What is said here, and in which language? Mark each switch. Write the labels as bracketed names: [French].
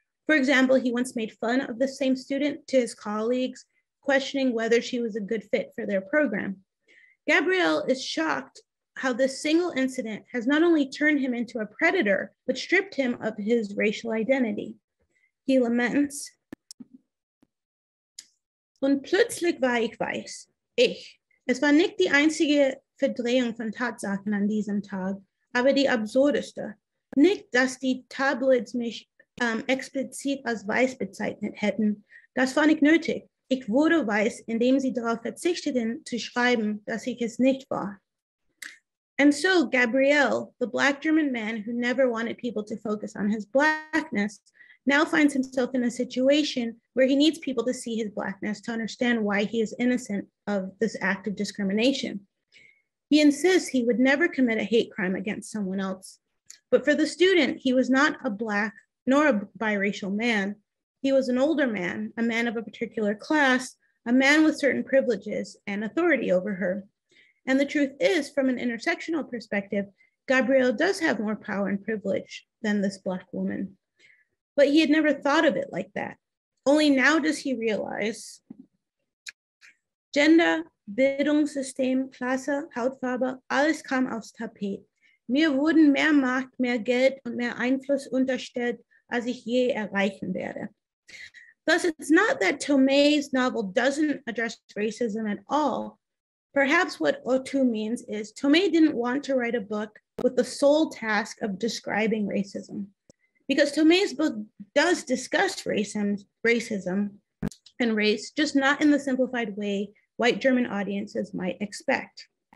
[English] For example, he once made fun of the same student to his colleagues, questioning whether she was a good fit for their program. Gabrielle is shocked, how this single incident has not only turned him into a predator, but stripped him of his racial identity. He laments, [German] "Und plötzlich war ich weiß, ich. Es war nicht die einzige Verdrehung von Tatsachen an diesem Tag, aber die absurdeste. Nicht, dass die Tabloids mich explizit als weiß bezeichnet hätten. Das war nicht nötig. Ich wurde weiß, indem sie darauf verzichteten, zu schreiben, dass ich es nicht war." [English] And so Gabriel, the Black German man who never wanted people to focus on his Blackness, now finds himself in a situation where he needs people to see his Blackness to understand why he is innocent of this act of discrimination. He insists he would never commit a hate crime against someone else. But for the student, he was not a Black nor a biracial man. He was an older man, a man of a particular class, a man with certain privileges and authority over her. And the truth is, from an intersectional perspective, Gabrielle does have more power and privilege than this Black woman. But he had never thought of it like that. Only now does he realize [German] Gender, Bildungssystem, Klasse, Hautfarbe, alles kam aufs Tapet. Mir wurden mehr Macht, mehr Geld und mehr Einfluss unterstellt, als ich je erreichen werde. [English] Thus, it's not that Tomei's novel doesn't address racism at all. Perhaps what Otu means is Tomei didn't want to write a book with the sole task of describing racism. Because Tomei's book does discuss racism and race, just not in the simplified way white German audiences might expect.